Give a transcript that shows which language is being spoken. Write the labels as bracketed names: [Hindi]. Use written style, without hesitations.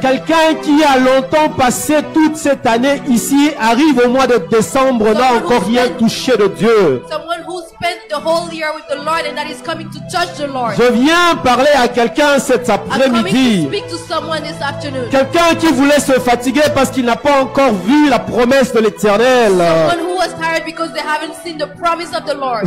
[French] Quelqu'un qui a longtemps passé toute cette année ici arrive au mois de décembre, n'a encore rien touché de Dieu. [English] Someone who spent the whole year with the Lord and that is coming to touch the Lord. [French] Je viens parler à quelqu'un cet après-midi. [English] I'm coming to speak to someone this afternoon. [French] Quelqu'un qui voulait se fatiguer parce qu'il n'a pas encore vu la promesse de l'Éternel. [English] Someone who was tired because they haven't seen the promise of the Lord.